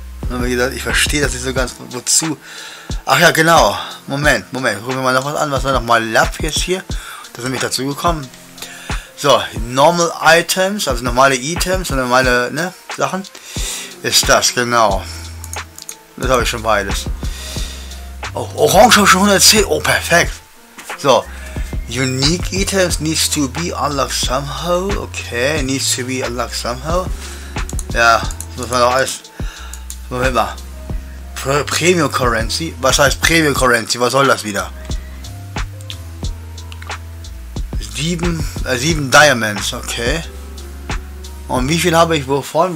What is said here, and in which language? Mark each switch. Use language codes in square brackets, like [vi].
[de] Aber wie gesagt, ich verstehe das nicht so ganz, wozu. Ach ja, genau. Moment. Gucken wir mal noch was an. Was war nochmal Lab jetzt hier? Da sind wir dazu gekommen. So, normal Items, also normale Items und normale ne, Sachen. Ist das, genau. Das habe ich schon beides. Oh, Orange habe ich schon 110. Oh, perfekt. [en] So, unique Items needs to be unlocked somehow. Okay, needs to be unlocked somehow. [de] Ja, das muss man doch alles. Moment mal. Premium Currency? Was heißt Premium Currency? Was soll das wieder? 7 Diamonds, okay. Und wie viel habe ich wovon?